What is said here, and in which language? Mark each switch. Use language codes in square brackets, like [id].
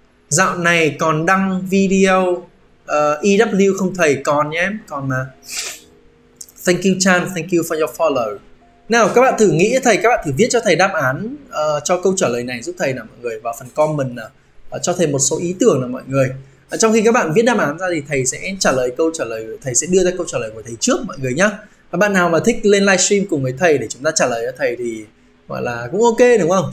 [vi] Dạo này con đăng video EW không thầy con nhé. Con mà. [en] Thank you Chan, thank you for your follow. [vi] Nào các bạn thử nghĩ thầy, các bạn thử viết cho thầy đáp án cho câu trả lời này giúp thầy nào mọi người vào phần comment nào. Cho thầy một số ý tưởng là mọi người. Trong khi các bạn viết đáp án ra thì thầy sẽ trả lời câu trả lời, thầy sẽ đưa ra câu trả lời của thầy trước mọi người nhá. Và bạn nào mà thích lên livestream cùng với thầy để chúng ta trả lời cho thầy thì gọi là cũng ok đúng không?